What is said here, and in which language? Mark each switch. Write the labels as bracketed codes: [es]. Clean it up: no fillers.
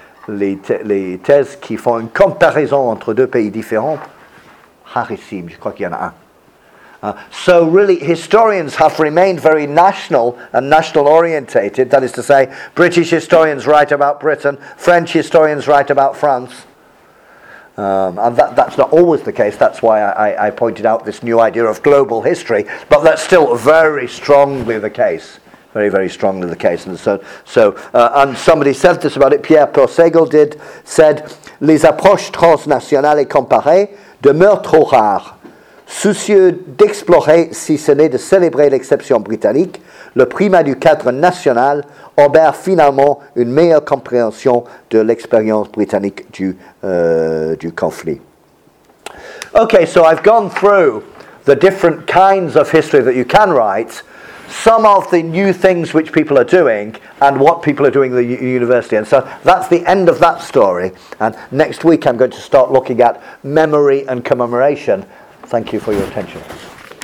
[fr] Les thèses qui font une comparaison entre 2 pays différents, rarissime, je crois qu'il y en a un. [en] So really, historians have remained very national and national-orientated, that is to say, British historians write about Britain, French historians write about France, and that's not always the case. That's why I pointed out this new idea of global history, but that's still very strongly the case. Very, very strongly the case. And so somebody said this about it, Pierre Persegel said, les approches transnationales et comparées demeurent trop rares. [fr] soucieux d'explorer, si ce n'est de célébrer l'exception britannique, le primat du cadre national obère finalement une meilleure compréhension de l'expérience britannique du conflit. [en] Okay, so I've gone through the different kinds of history that you can write, some of the new things which people are doing, and what people are doing at the university. And so that's the end of that story. And next week I'm going to start looking at memory and commemoration. Thank you for your attention.